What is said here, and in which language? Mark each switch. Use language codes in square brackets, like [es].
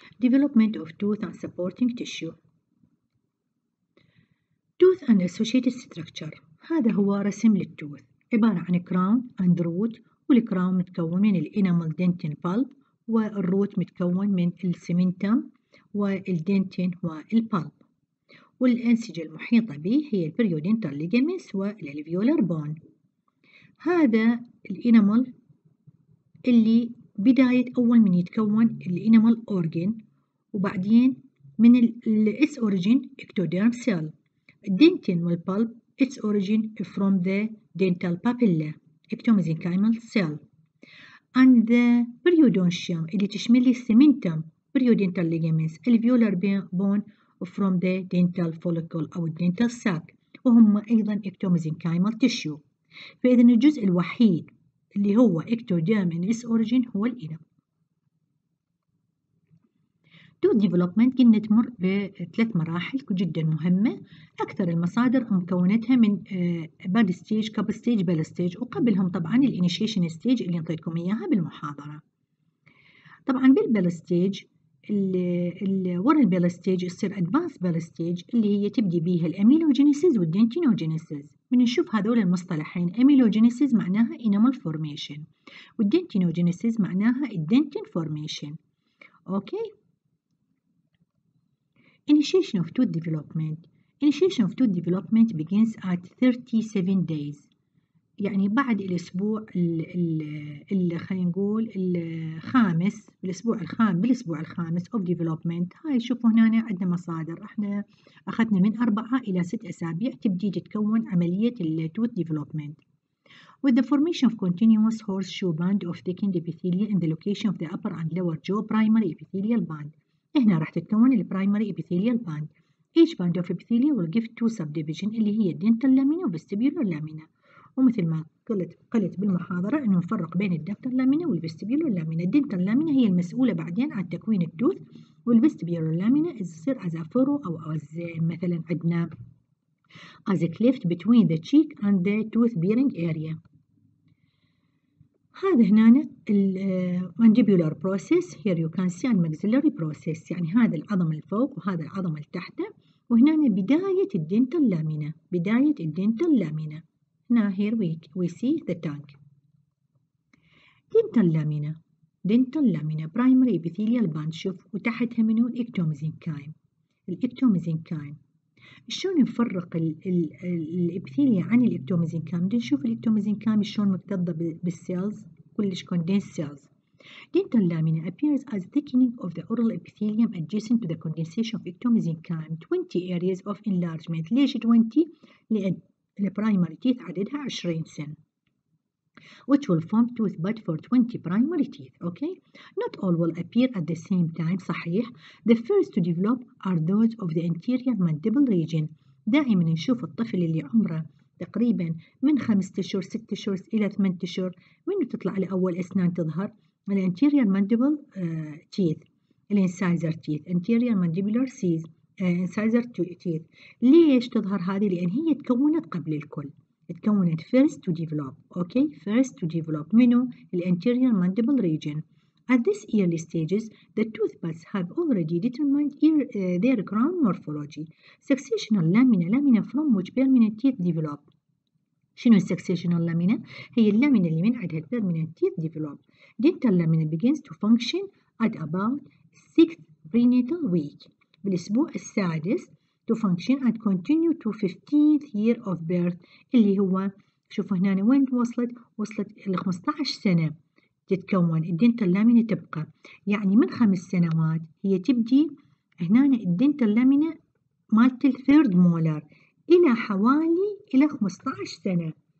[en] Development of tooth and supporting tissue. Tooth and associated structure. [ar] هذا هو رسم للتوث، عبارة عن [en] crown and root، [ar] والcrown متكون من [en] enamel dentin pulp، [ar] والroot متكون من cementum والdentin والpulp، والأنسجة المحيطة به هي [en] periodontal ligaments [ar] وال [en] alveolar bone. [ar] هذا الانامل اللي بداية أول من يتكون الانامل أورجن، وبعدين من الاس أورجن إكتوديرم سيل. الدينتين والبالب اس أورجن [en] from the dental papilla [ar] إكتوميزينكايمال سيل. [en] And the periodontium [ar] اللي تشمل لي السمنتم [en] periodontal ligaments alveolar bone from the dental follicle [ar] أو [en] dental sac، [ar] وهم أيضا إكتوميزينكايمال تيشو. فإذا الجزء الوحيد اللي هو [en] ectoderm and its origin [ar] هو الإنم. [en] Tooth development [ar] قلنا تمر بثلاث مراحل جدا مهمة. أكثر المصادر مكوناتها من [en] bad stage, couple stage, bell stage، [ar] وقبلهم طبعا الـ [en] initiation stage [ar] اللي نطيتكم إياها بالمحاضرة. طبعا بالـ bell stage الـ ورا الـ bell stage يصير [en] advanced bell stage [ar] اللي هي تبدي بيها الـ amelogenesis والـ dentinogenesis. بنشوف هذول المصطلحين، amelogenesis معناها [en] enamel formation، [ar] والdentinogenesis معناها [en] dentin formation. Okay, initiation of tooth development. Initiation of tooth development begins at 37 days، [ar] يعني بعد الاسبوع اللي خلينا نقول الخامس، بالاسبوع الخامس [en] of development. [ar] هاي شوفوا هنا عندنا مصادر، احنا اخذنا من 4 إلى 6 أسابيع تبدي تتكون عملية التوث development. [en] With the formation of continuous horseshoe band of thickened epithelia in the location of the upper and lower jaw primary epithelial band. [ar] هنا راح تتكون ال [en] primary epithelial band. Each band of epithelia will give two subdivision [ar] اللي هي [en] dental lamina [ar] و [en] vestibular lamina. [ar] ومثل ما قلت بالمحاضرة إنه نفرق بين الدكتور لامينا والفستيبيولر لامينا. الدنتال لامينا هي المسؤولة بعدين عن تكوين التوث، والفستيبيولر لامينا يصير [en] as a furrow [ar] أو as مثلا عندنا [en] as a cleft between the cheek and the tooth bearing area. [ar] هذا هنا المانديبولار بروسيس، [en] here you can see [ar] المكسيلاري بروسيس، يعني هذا العظم الفوق وهذا العظم التحت، وهنا بداية الدنتال لامينا، بداية الدنتال لامينا. [en] Now here we see the tongue. Dental lamina, primary epithelial band. [ar] شوف وتحتها منو الإكتوميزينكايم. الإكتوميزينكايم. شلون نفرق الإبثيليا عن الإكتوميزينكايم؟ نشوف الإكتوميزينكايم شلون مكتظة بالسيلز، كلش كوندنس سيلز. [en] Dental lamina appears as thickening of the oral epithelium adjacent to the condensation of ectomesenchyme. 20 areas of enlargement. [ar] ليش 20؟ لأن البرايمري تيث عددها 20 سن، [en] which will form tooth bud for 20 primary teeth. Okay, not all will appear at the same time. [ar] صحيح. [en] The first to develop are those of the anterior mandible region. [ar] دائما نشوف الطفل اللي عمره تقريبا من 5 أشهر 6 أشهر إلى 8 أشهر منه تطلع لأول أسنان تظهر الـ [en] anterior mandible teeth، [ar] الـ [en] incisor teeth، anterior mandibular seeds. Incisor teeth. [ar] ليش تظهر هذه؟ لأن هي تكونت قبل الكل. تكونت [en] first to develop. Okay, first to develop. [ar] منو؟ [en] The anterior mandible region. At this early stages, the tooth buds have already determined their crown morphology. Successional lamina. Lamina from which permanent teeth develop. [ar] شنو [en] successional lamina؟ [ar] هي اللامينة اللي من عندها [en] permanent teeth develop. Dental lamina begins to function at about 6th prenatal week. [ar] بالأسبوع السادس [en] to function and continue to 15th year of birth، [ar] اللي هو شوفوا هنا وين وصلت ال 15 سنة تتكون الدنتال لامينة، تبقى يعني من 5 سنوات هي تبدي هنا الدنتال لامينة مالت الثيرد مولر إلى حوالي إلى 15 سنة.